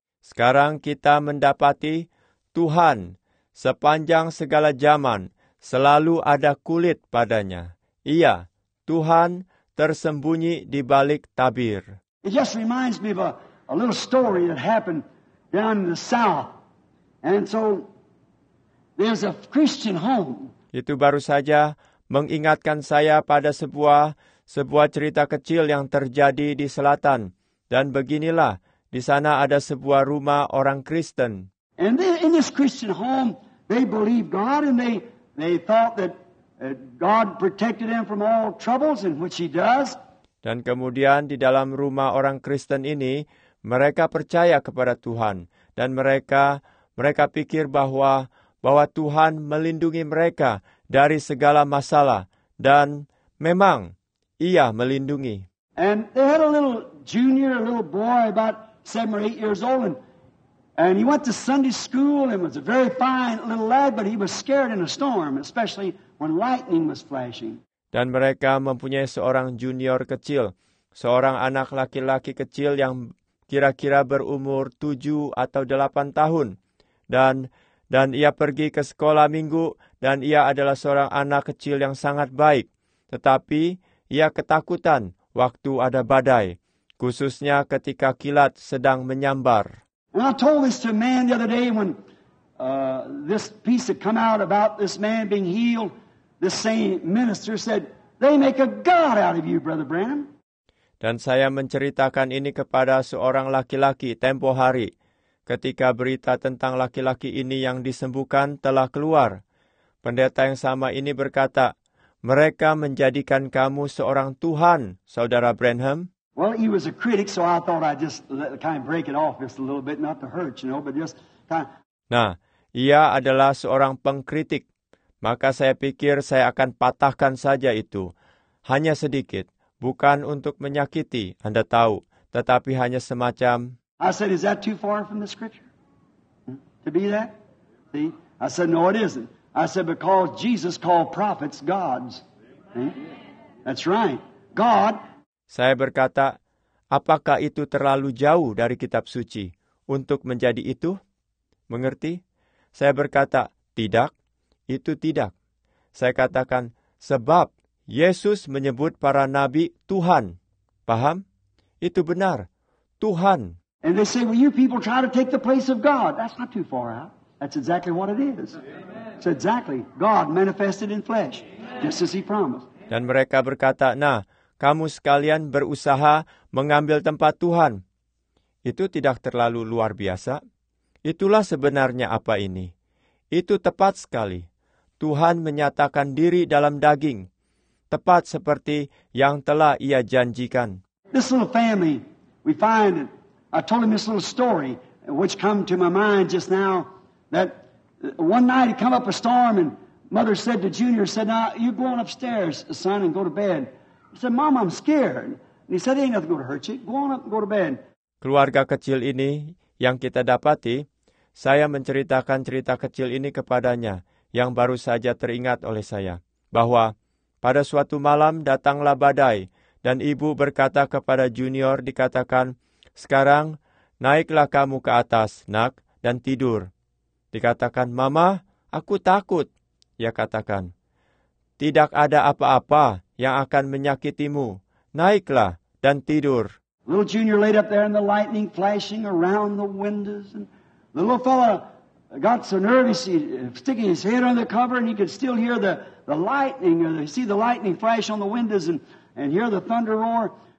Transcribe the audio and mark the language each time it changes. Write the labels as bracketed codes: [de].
[id] Sekarang kita mendapati Tuhan sepanjang segala zaman selalu ada kulit padanya. Iya, Tuhan tersembunyi di balik tabir. [en] It just reminds me of a little story that happened down in the south. And so there's a Christian home. [id] Itu baru saja mengingatkan saya pada sebuah cerita kecil yang terjadi di selatan. Dan beginilah, di sana ada sebuah rumah orang Kristen. [en] And in this Christian home, they believed God and they thought that God protected them from all troubles, in which He does. [id] Dan kemudian di dalam rumah orang Kristen ini, mereka percaya kepada Tuhan dan mereka pikir bahwa Tuhan melindungi mereka dari segala masalah dan memang Ia melindungi. [en] And they had a little junior, a little boy about 7 or 8 years old, and he went to Sunday school and was a very fine little lad, but he was scared in a storm, especially when lightning was flashing. [id] Dan mereka mempunyai seorang junior kecil, seorang anak laki-laki kecil yang kira-kira berumur 7 atau 8 tahun. Dan ia pergi ke sekolah minggu, dan ia adalah seorang anak kecil yang sangat baik. Tetapi ia ketakutan waktu ada badai, khususnya ketika kilat sedang menyambar. [en] And I told this to a man the other day when this piece had come out about this man being healed. The same minister said, "They make a god out of you, Brother Branham." [id] Dan saya menceritakan ini kepada seorang laki-laki tempo hari, ketika berita tentang laki-laki ini yang disembuhkan telah keluar. Pendeta yang sama ini berkata, "Mereka menjadikan kamu seorang Tuhan, Saudara Branham." [en] Well, he was a critic, so I thought I'd just kind of break it off just a little bit, not to hurt, you know, but just kind of... [id] Nah, ia adalah seorang pengkritik. Maka saya pikir saya akan patahkan saja itu. Hanya sedikit. Bukan untuk menyakiti, Anda tahu. Tetapi hanya semacam... [en] I said, is that too far from the scripture? To be that? See? I said, no, it isn't. I said, because Jesus called prophets gods. That's right. God... [id] Saya berkata, apakah itu terlalu jauh dari kitab suci untuk menjadi itu? Mengerti? Saya berkata, tidak, itu tidak. Saya katakan, sebab Yesus menyebut para nabi Tuhan. Paham? Itu benar. Tuhan. [en] And they say, well, you people try to take the place of God. That's not too far out. That's exactly what it is. Amen. It's exactly God manifested in flesh, just as he promised. [id] Dan mereka berkata, nah, kamu sekalian berusaha mengambil tempat Tuhan. Itu tidak terlalu luar biasa. Itulah sebenarnya apa ini. Itu tepat sekali. Tuhan menyatakan diri dalam daging. Tepat seperti yang telah ia janjikan. [en] This little family, we find it. I told him this little story, which come to my mind just now, that one night it come up a storm, and mother said to Junior, said, now, you go on upstairs, son, and go to bed. He said, Mom, I'm scared. And he said, ain't nothing gonna hurt you. Go on up and go to bed. [id] Keluarga kecil ini yang kita dapati, saya menceritakan cerita kecil ini kepadanya yang baru saja teringat oleh saya. Bahwa pada suatu malam datanglah badai dan ibu berkata kepada Junior, dikatakan, sekarang naiklah kamu ke atas, nak, dan tidur. Dikatakan, Mama, aku takut. Ia katakan, tidak ada apa-apa yang akan menyakitimu. Naiklah dan tidur. [en] Little Junior laid up there and the lightning flashing around the windows. And the little fella got so nervous, he sticking his head under the cover, and he could still hear the lightning, or see the lightning flash on the windows and hear the thunder roar.